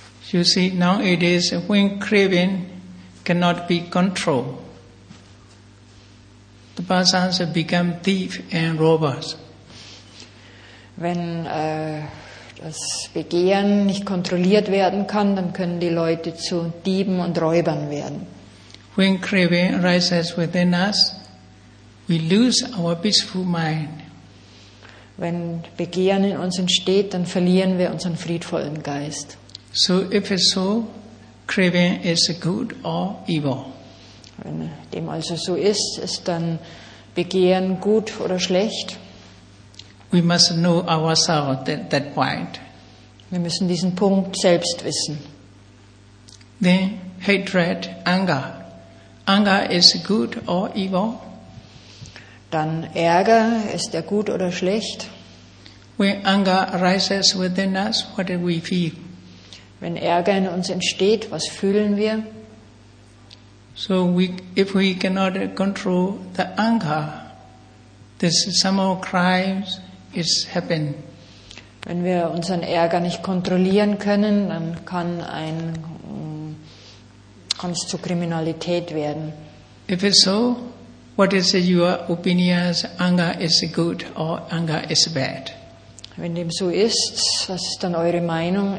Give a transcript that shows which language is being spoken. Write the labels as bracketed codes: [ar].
[en] You see, nowadays, when craving cannot be controlled, the persons become thief and robbers. [de] Wenn das Begehren nicht kontrolliert werden kann, dann können die Leute zu Dieben und Räubern werden. [en] When craving arises within us, we lose our peaceful mind. [de] Wenn Begehren in uns entsteht, dann verlieren wir unseren friedvollen Geist. [en] So if it's so, craving is good or evil. [de] Wenn dem also so ist, ist dann Begehren gut oder schlecht? [en] We must know ourselves that point. [de] Wir müssen diesen Punkt selbst wissen. [en] Then hatred, anger. Anger is good or evil? [de] Dann Ärger, ist er gut oder schlecht? [en] When anger arises within us, what do we feel? [de] Wenn Ärger in uns entsteht, was fühlen wir? [en] So we, if we cannot control the anger, this somehow crimes is happen. [de] Wenn wir unseren Ärger nicht kontrollieren können, dann kann es zu Kriminalität werden. [en] If it's so, what is your opinion? Anger is good or anger is bad? [de] Wenn dem so ist, was ist dann eure Meinung?